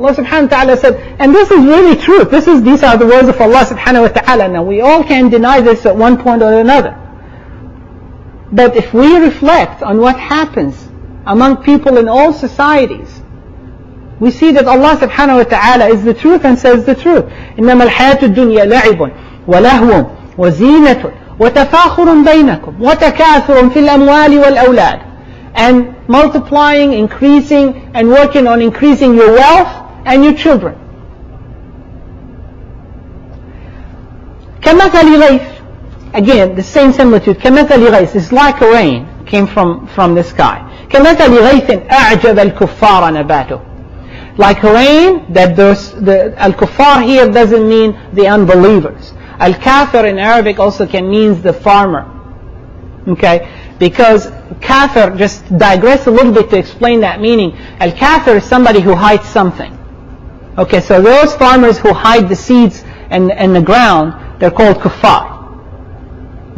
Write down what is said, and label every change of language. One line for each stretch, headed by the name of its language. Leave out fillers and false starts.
English: Allah subhanahu wa ta'ala said, and this is really truth. These are the words of Allah subhanahu wa ta'ala. Now we all can deny this at one point or another. But if we reflect on what happens among people in all societies, we see that Allah subhanahu wa ta'ala is the truth and says the truth.
Arabic: إِنَّمَا الْحَيَاةُ الدُّنْيَا لَعِبٌ ولهو وزينة وتفاخر بينكم وتكاثر في الأموال والأولاد.
English: And multiplying, increasing, and working on increasing your wealth and your children.
Arabic: كمثل غيث.
English: Again, the same similitude. كمثل غيث is like a rain came from the sky.
Arabic: كمثل غيث أعجب الكفار نباته.
English: Like a rain that the الكفار here doesn't mean the unbelievers. الكافر in Arabic also can means the farmer. Okay? Because kafir, just digress a little bit to explain that meaning. Al-kafir is somebody who hides something. Okay, so those farmers who hide the seeds and the ground, they're called kuffar.